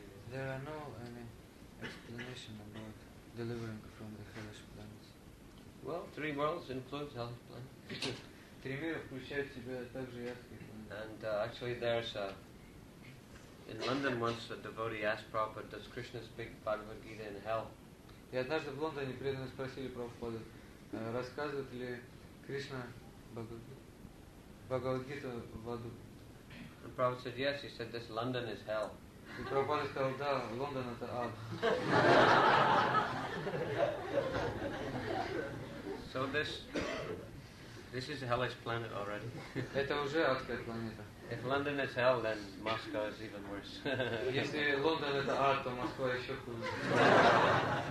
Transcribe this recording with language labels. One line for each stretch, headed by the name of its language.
English: There are no any explanation about delivering from the hellish planets. Well, three worlds include hellish planets.
Russian: Три мира включают в себя также ядские планеты.
English: And actually there's a... In London once a devotee asked Prabhupada, does Krishna speak Bhagavad Gita in hell?
Russian: И однажды в Лондоне преданные спросили Прабхупаду, рассказывает ли Кришна Бхагавад Гита в аду?
English: And Prabhupada said, yes, he said, this London is hell.
Russian: И Прабхупада сказал, да, Лондон это ад.
English: So this is a hellish planet already.
Russian: Это уже адская планета.
English: If London is hell, then Moscow is even worse.
Russian: Если Лондон это ад, то Москва еще хуже.